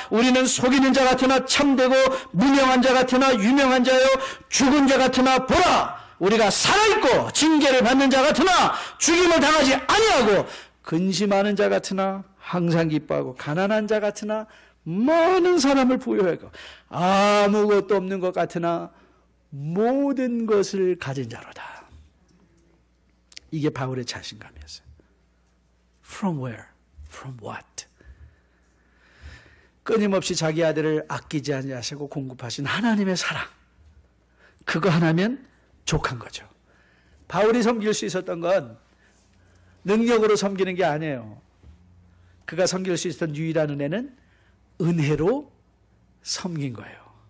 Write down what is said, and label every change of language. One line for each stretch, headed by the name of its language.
Korean: 우리는 속이는 자 같으나 참되고 무명한 자 같으나 유명한 자여 죽은 자 같으나 보라 우리가 살아있고 징계를 받는 자 같으나 죽임을 당하지 아니하고 근심하는 자 같으나 항상 기뻐하고 가난한 자 같으나 많은 사람을 부여하고 아무것도 없는 것 같으나 모든 것을 가진 자로다. 이게 바울의 자신감이었어요.
English: From where? From what?
Korean: 끊임없이 자기 아들을 아끼지 아니하시고 공급하신 하나님의 사랑, 그거 하나면 족한 거죠. 바울이 섬길 수 있었던 건 능력으로 섬기는 게 아니에요. 그가 섬길 수 있었던 유일한 은혜는 은혜로 섬긴 거예요.